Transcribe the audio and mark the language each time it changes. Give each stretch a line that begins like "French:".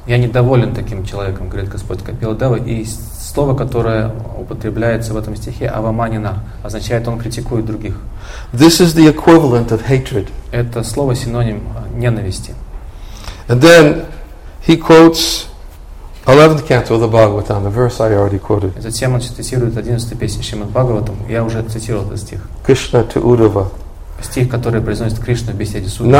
Russian: Я недоволен таким человеком, говорит Господь Капила Дева, и слово, которое употребляется в этом стихе, авамана, означает, он критикует других.
English: This is the equivalent of hatred.
Russian: Это слово синоним ненависти.
English: And then he quotes 11th canto of the Bhagavatam, the verse I already quoted.
Russian: Затем он цитирует 11-ю песню Шримад-Бхагаватам, я уже цитировал этот стих.
English: Кришна to Удава.
Russian: Стих, который произносит Кришна в беседе с